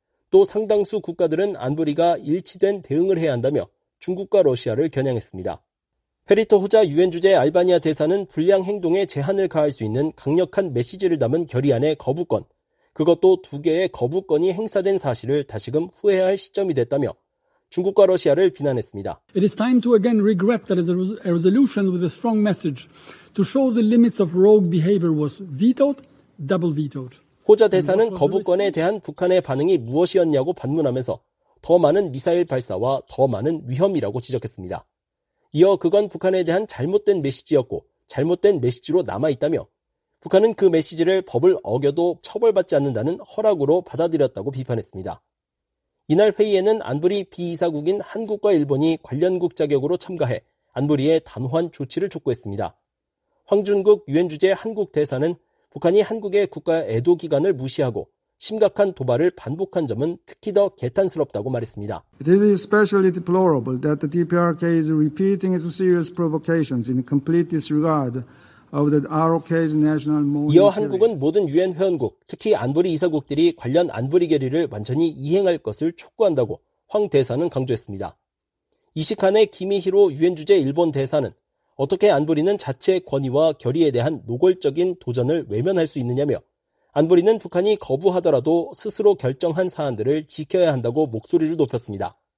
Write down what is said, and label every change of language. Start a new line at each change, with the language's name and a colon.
Korean: 또 상당수 국가들은 안보리가 일치된 대응을 해야 한다며 중국과 러시아를 겨냥했습니다. 페리토 호자 유엔 주재 알바니아 대사는 불량 행동에 제한을 가할 수 있는 강력한 메시지를 담은 결의안의 거부권, 그것도 두 개의 거부권이 행사된 사실을 다시금 후회할 시점이 됐다며 중국과 러시아를 비난했습니다.
English: It is time to again regret that a resolution with a strong message to show the limits of rogue behavior was vetoed, double vetoed.
Korean: 호자 대사는 거부권에 대한 북한의 반응이 무엇이었냐고 반문하면서 더 많은 미사일 발사와 더 많은 위험이라고 지적했습니다. 이어 그건 북한에 대한 잘못된 메시지였고 잘못된 메시지로 남아있다며 북한은 그 메시지를 법을 어겨도 처벌받지 않는다는 허락으로 받아들였다고 비판했습니다. 이날 회의에는 안보리 비이사국인 한국과 일본이 관련국 자격으로 참가해 안보리에 단호한 조치를 촉구했습니다. 황준국 유엔 주재 한국 대사는 북한이 한국의 국가 애도 기간을 무시하고 심각한 도발을 반복한 점은 특히 더 개탄스럽다고 말했습니다.
English: It is especially deplorable that the DPRK is repeating its serious provocations in complete disregard
Korean: 이어 한국은 모든 유엔 회원국, 특히 안보리 이사국들이 관련 안보리 결의를 완전히 이행할 것을 촉구한다고 황 대사는 강조했습니다. 이 시간에 김이희로 유엔 주재 일본 대사는 어떻게 안보리는 자체 권위와 결의에 대한 노골적인 도전을 외면할 수 있느냐며 안보리는 북한이 거부하더라도 스스로 결정한 사안들을 지켜야 한다고 목소리를 높였습니다.